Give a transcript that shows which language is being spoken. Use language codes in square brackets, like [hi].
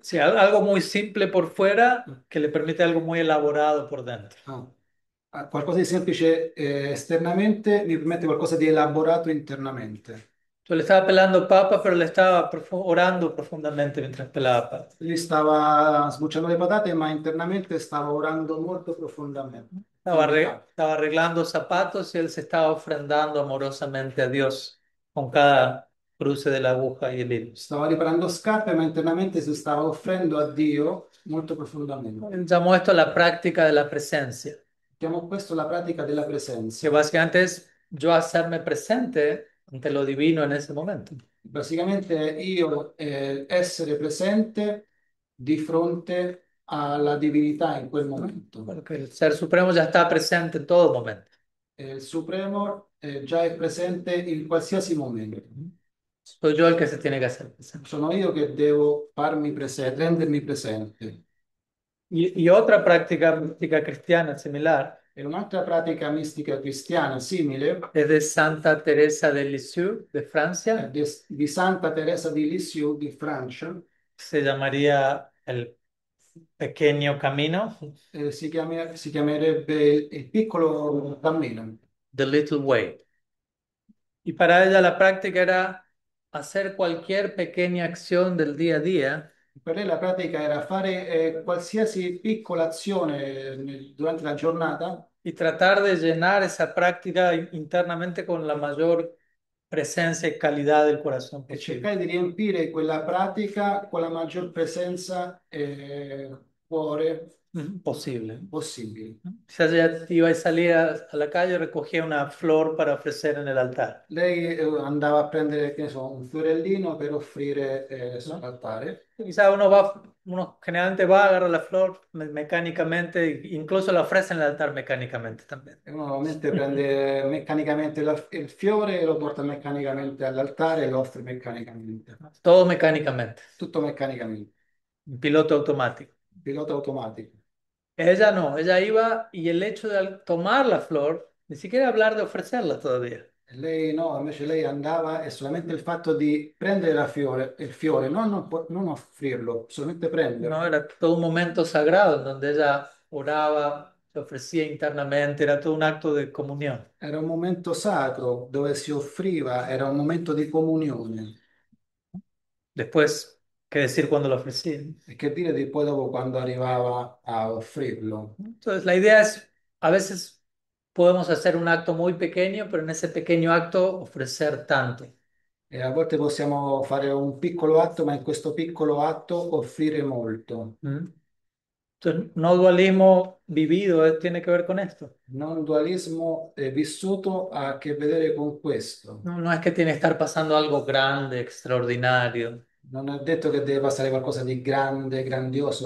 [es] Sí, algo muy simple por fuera que le permite algo muy elaborado por dentro. Oh. [it] Qualcosa di semplice esternamente mi permette qualcosa di elaborato internamente. [es] Yo le estaba pelando papa, pero le estaba orando profondamente mientras pelaba papa. [it] Lui stava sbucciando le patate, ma internamente stava orando molto profondamente. Comunità. [es] Estaba arreglando zapatos y él se estaba ofrendando amorosamente a Dios con cada cruce de la aguja y el hilo. [it] Stava riparando scarpe, ma internamente si stava offrendo a Dio molto profondamente. [es] Llamó esto la práctica de la presencia. [it] Chiamo questo la pratica della [es] Que [it] presenza. [es] básicamente es yo hacerme presente ante lo divino en ese momento. [it] Básicamente io essere presente di fronte alla divinità in quel momento. [es] Porque el ser supremo ya está presente en todo momento. [it] Il Supremo già è presente in qualsiasi momento. [es] Soy yo el que se tiene que hacer presente. [it] Sono io che devo farmi presente, rendermi presente. [es] Y otra práctica mística cristiana similar [it] È un'altra pratica mistica cristiana simile [es] es de Santa Teresa de Lisieux, de [it] è [es] Francia. [it] di Santa Teresa di Lisieux di Francia. [es] Se llamaría el pequeño camino. [it] Si chiamerebbe il piccolo cammino. [en] The Little Way. [es] Y para ella la práctica era hacer cualquier pequeña acción del día a día. [it] Per lei la pratica era fare qualsiasi piccola azione durante la giornata. [es] Y tratar de llenar esa práctica internamente con la mayor presencia y calidad del corazón [it] E cercare di riempire quella pratica con la maggior presenza cuore [es] Posible. [it] possibile. [es] Se ella iba a salir a la calle, recogía una flor para ofrecer en el altar. [it] Lei andava a prendere, che ne so, un fiorellino per offrire sull'altare. [es] Quizá uno generalmente va a agarrar la flor meccanicamente, incluso la ofrece en el altar meccanicamente también. [it] Normalmente prende meccanicamente il fiore e lo porta meccanicamente all'altare e lo offre meccanicamente. [es] Todo meccanicamente. [it] Tutto meccanicamente. In pilota automatico. Pilota automatico. [es] Ella no, ella iba y el hecho de tomar la flor, ni siquiera hablar de ofrecerla todavía. [it] Lei no, invece lei andava e solamente il fatto di prendere il fiore, non offrirlo, solamente prenderlo. [es] No, era todo un momento sagrado en donde ella oraba, se ofrecía internamente, era todo un acto de comunión. [it] Era un momento sacro dove si offriva, era un momento di comunione. [es] Después, ¿qué decir cuando lo ofrecí? [it] E che dire di poi dopo quando arrivava a offrirlo? [es] Entonces, la idea es, a veces podemos hacer un acto muy pequeño, pero en ese pequeño acto ofrecer tanto. [it] E a volte possiamo fare un piccolo atto, ma in questo piccolo atto offrire molto. [es] Entonces, no dualismo vivido, tiene que ver con esto. [it] Non dualismo vissuto ha a che vedere con questo. [es] No, no es que tiene que estar pasando algo grande, extraordinario. [it] Non è detto che deve passare qualcosa di grande, grandioso,